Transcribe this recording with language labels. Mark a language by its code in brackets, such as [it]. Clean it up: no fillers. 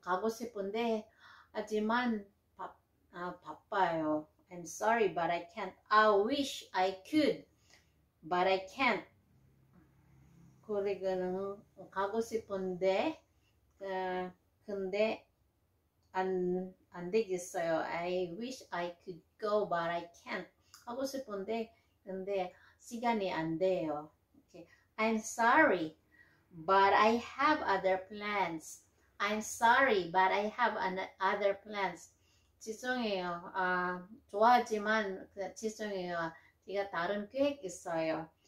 [ko] 가고 싶은데 하지만 바빠요. [en] I'm sorry, but I can't. I wish I could, but I can't. [ko] 그리고는 가고 싶은데, 근데 안 되겠어요. [en] I wish I could go, but I can't. [ko] 가고 싶은데, 근데 시간이 안 돼요. [en] Okay. I'm sorry, but I have other plans. I'm sorry, but I have other plans. [ko] 죄송해요. 좋아하지만 죄송해요. 제가 다른 계획 있어요.